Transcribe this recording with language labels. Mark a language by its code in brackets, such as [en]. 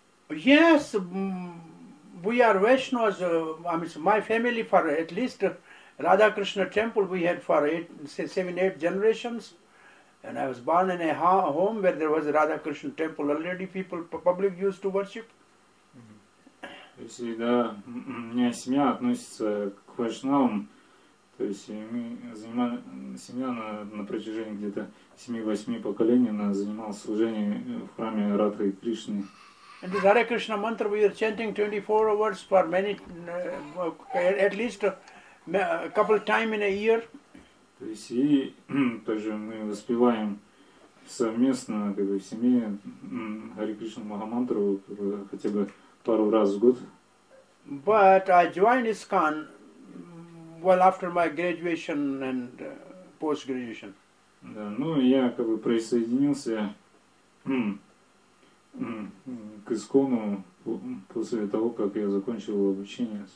[en] Yes, we are Vaishnavas. I mean, my family for at least Radha Krishna temple we had for 7-8 generations. And I was born in a home where there was a Radha Krishna temple already, people, public used to worship. [ru] То есть, да, у меня семья относится к вайшнавам, то есть мы занимали, семья на протяжении где-то 7-8 поколений она занималась служением в храме Радхи Кришны. [en] And this Hare Krishna mantra we are chanting 24 hours for many, at least a couple of times in a year. [ru] То есть и также мы воспеваем совместно, как бы в семье, Hare Krishna Махамантру хотя бы пару раз в год. [en] But I joined ISKCON well after my graduation and post-graduation. [ru] Да, ну я как бы присоединился к ИСККОНу после того, как я закончил обучение,